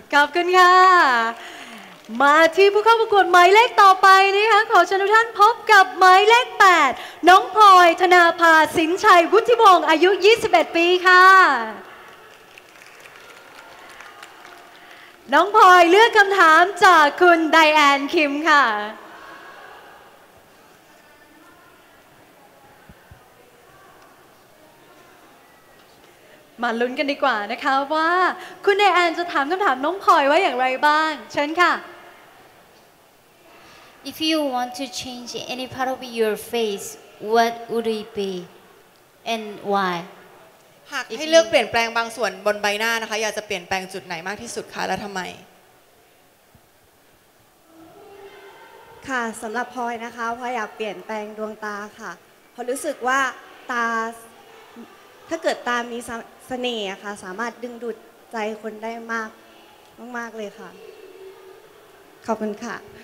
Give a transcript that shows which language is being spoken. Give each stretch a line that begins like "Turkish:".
Thai: ขอบคุณค่ะมาที่ผู้เข้าประกวดหมายเลขต่อไปนะคะขอเชิญทุกท่านพบกับหมายเลข8น้องพลอยธนาภาสินชัยวุฒิวงศ์อายุ21ปีค่ะน้องพลอยเลือกคำถามจากคุณไดแอนคิมค่ะ มาลุ้นกันดีกว่านะคะว่าคุณไดแอนจะถามคำถามน้องพลอยว่าอย่างไรบ้างเชิญค่ะ
English: If you want to change any part of your face, what would it be, and why?
Thai: หากให้เลือกเปลี่ยนแปลงบางส่วนบนใบหน้านะคะอยากจะเปลี่ยนแปลงจุดไหนมากที่สุดคะและทำไม ค่ะสำหรับพลอยนะคะพลอยอยากเปลี่ยนแปลงดวงตาค่ะเพราะรู้สึกว่าตาถ้าเกิดตามีเสน่ห์ค่ะสามารถดึงดูดใจคนได้มากเลยค่ะขอบคุณค่ะ